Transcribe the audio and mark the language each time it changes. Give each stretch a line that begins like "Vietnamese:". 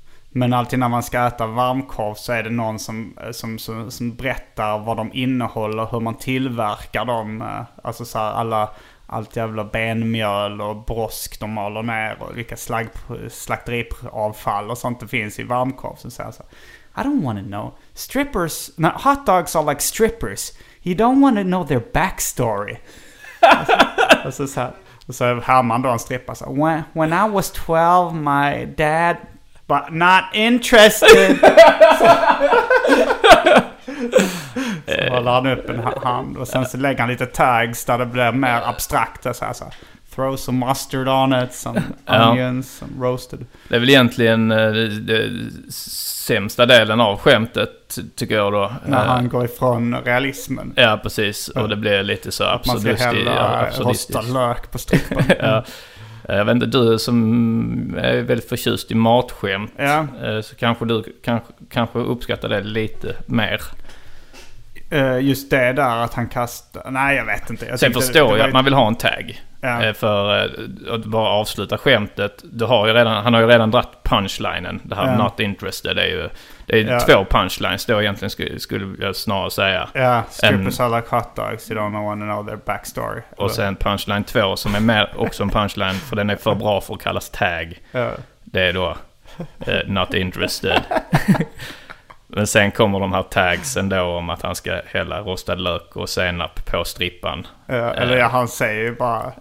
Swedish: Men alltid när man ska äta varmkorv så är det någon som berättar vad de innehåller, hur man tillverkar dem. Alltså så här, allt jävla benmjöl och brosk de maler ner och vilka slakteriavfall och sånt det finns i varmkorv. Så säger jag så,
English: I don't want to know. Strippers, no, hot dogs are like strippers. You don't want to know their backstory.
Swedish: Och så hör man då en strippa så,
English: when I was 12 my dad, but not interested.
Swedish: Så håller han upp en hand och sen så lägger han lite tags där det blir mer abstrakt.
English: Så throw some mustard on it, some onions, some roasted.
Swedish: Det är väl egentligen det sämsta delen av skämtet tycker jag då. När han går ifrån realismen. Ja, precis. Och det blir lite så absurdistiskt. Man ska hälla rosta lök på strippen. Ja. Jag vet inte, du som är väldigt förtjust i matskämt, ja, så kanske du kanske uppskattar det lite mer. Just det där att han kastar. Nej, jag vet inte. Jag sen förstår det, jag att man vill ha en tag. Ja. För att bara avsluta skämtet. Du har ju redan, han har ju redan dratt punchlinen. Det här, ja,
English: not interested
Swedish: är ju, det är, ja, två punchlines då egentligen, skulle jag snarare säga.
English: Ja, stupid alla hot dogs, you don't want to know their backstory.
Swedish: Och sen punchline två som är mer också en punchline, för den är för bra för att kallas tag. Ja. Det är då
English: not interested.
Swedish: Men sen kommer de här tagsen då om att han ska hälla rostad lök och senap på strippan. Ja, eller ja, han säger ju bara...